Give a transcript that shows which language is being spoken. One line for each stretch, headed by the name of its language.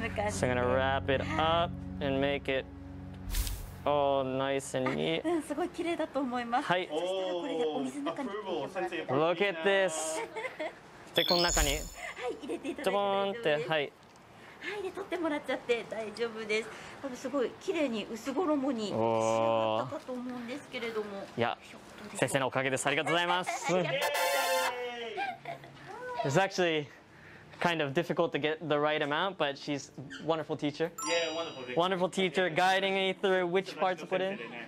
English: So I'm gonna wrap it up and make it all nice and neat.
Japanese: すごい綺麗だと思います。はい。おー、アプローブ、先生。
English: Look at this.
Japanese: で、この中に。はい、入れていただいて大丈夫です。はい。はい、で、取ってもらっちゃって大丈夫です。多分すごい綺麗に薄衣に仕上がったかと思うんですけれども。いや、先生のおかげです。ありがとうございます。
English: イエーイ It's actually... kind of difficult to get the right amount, but she's a wonderful teacher. Yeah, wonderful teacher. Wonderful teacher, guiding me through which parts to put in.